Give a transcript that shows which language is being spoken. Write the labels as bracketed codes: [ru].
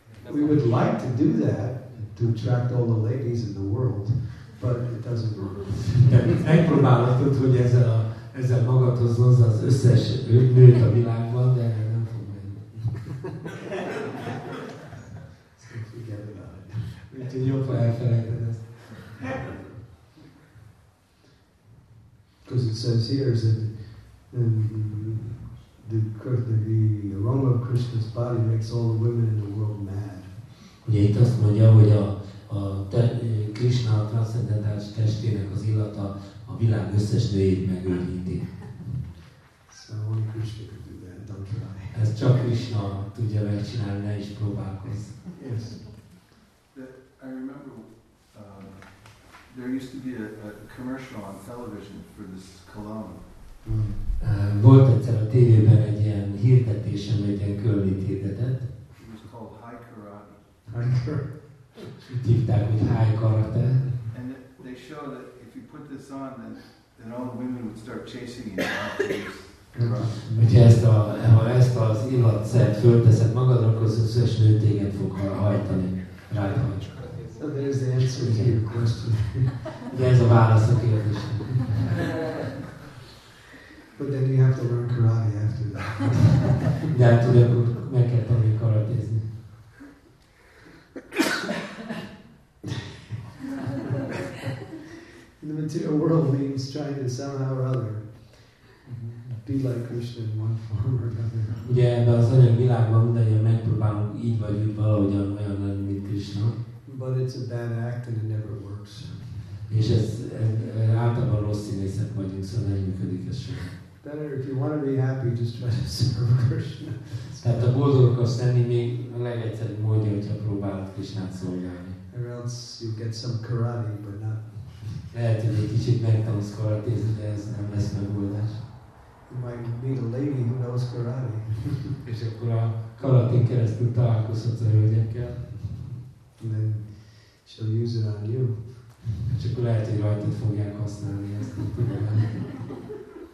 [en] We would like to do that, to attract all the ladies in the world, but it doesn't work. [hu] Megpróbálhatod, hogy ezzel magadhoz hozza az összes nőt a világban, de nem fog menni. [en] Forget about it. [hu] Úgyhogy jobb, ha elfelejted ezt. [en] Because it says here that the aroma of Krishna's body makes all the women in the world mad. [hu] Ugye itt azt mondja, hogy a Krishna a transzcendentális testének az illata a világ összes nőjét megőrinti. [en] So only Krishna can do that, don't try. [hu] Ez csak Krishna tudja megcsinálni, ne is próbálkozz. [en] Yes. I remember there used to be a commercial on television for this cologne. [hu] Volt egyszer a tévében egy ilyen hirdetésem, egy ilyen köllit hirdetett. [en] It was called High Karate. [hu] Úgy hívták, hogy High Karate. [en] And they show that if you put this on, then all the women would start chasing you after this karate. [hu] Ugye ha ezt az illatszert fölteszed magadra, akkor az összes nő téged fog hajtani. [en] Right, hajtani. So there's the answer to your question. [hu] Ugye ez a válasz a kérdésre. [en] But then you have to learn karate after that. [hu] De hát tudod, akkor meg kell tanulni karatézni. [en] In the material world means trying to somehow or other be like Krishna in one form or another. [hu] Ugye ebben az anyag világban mindannyian megpróbálunk így vagy úgy valahogyan olyan lenni, mint Krishna. [en] But it's a bad act and it never works. [hu] És ez általában rossz színészek vagyunk, szóval nem működik ez sem. [en] Better if you want to be happy, just try to serve Krishna. [hu] Tehát a boldogok azt lenni még a legegyszerűbb módja, hogyha próbálod Krishnát szolgálni. [en] Or else you get some karate, but not. [hu] Lehet, hogy egy kicsit megtanulsz karatézni, de ez nem lesz megoldás. [en] You might meet a lady who knows karate. [hu] És akkor a karatén keresztül találkozhatsz a hölgyekkel. [en] And then she'll use it on you. [hu] És akkor lehet, hogy rajtad fogják használni ezt, nem tudom.